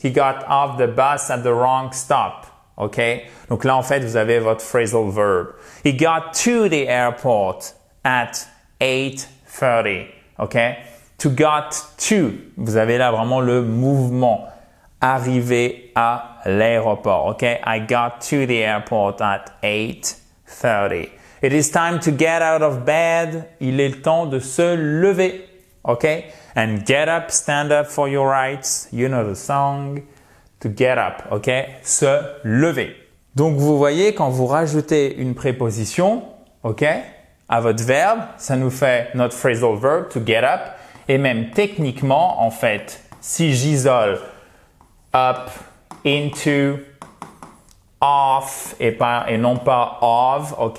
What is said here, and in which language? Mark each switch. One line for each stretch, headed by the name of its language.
English: He got off the bus at the wrong stop. OK?
French: Donc là, en fait, vous avez votre phrasal verb.
English: He got to the airport at 8:30. OK? To got to.
French: Vous avez là vraiment le mouvement. Arriver à l'aéroport.
English: OK? I got to the airport at 8:30. It is time to get out of bed.
French: Il est le temps de se lever.
English: OK? And get up, stand up for your rights. You know the song. To get up, OK?
French: Se lever. Donc, vous voyez, quand vous rajoutez une préposition, OK, à votre verbe, ça nous fait notre phrasal verb,
English: to get up.
French: Et même techniquement, en fait, si j'isole up, into, off, et non pas of, OK?